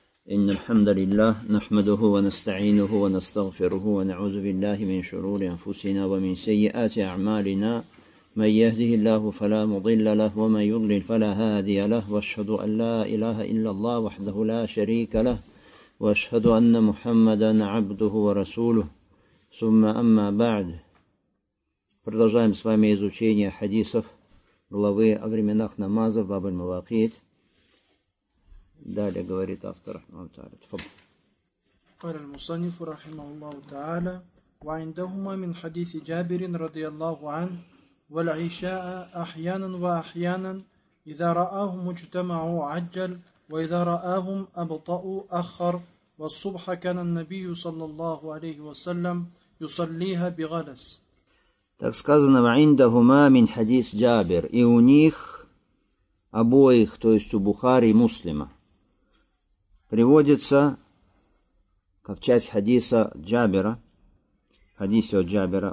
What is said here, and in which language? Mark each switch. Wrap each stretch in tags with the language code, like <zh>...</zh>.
<ar>إن الحمد لله نحمده ونستعينه ونستغفره ونعوذ بالله من شرور أنفسنا ومن سيئات أعمالنا من يهده الله فلا مضل له ومن يضلل فلا هادي له وأشهد أن لا إله إلا الله وحده لا شريك له وأشهد أن محمدا عبده ورسوله ثم أما بعد</ar> <ru>продолжаем с вами изучение хадисов главы о временах намаза в Бабуль Маваакит. Далее говорит автор رحمه الله تعالى.</ru> <ar>قال المصنف رحمه الله تعالى وعندهما من حديث جابر رضي الله عنه والعشاء أحيانا وأحيانا إذا رآهم اجتمعوا عجل وإذا رآهم أبطأوا أخر والصبح كان النبي صلى الله عليه وسلم يصليها بغلس.</ar> <ru>Так сказано</ru> <ar>وعندهما من حديث جابر</ar> <ru>и у них обоих, то есть у Бухари и Муслима. Приводится как часть хадиса Джабера, хадиса от Джабера.</ru>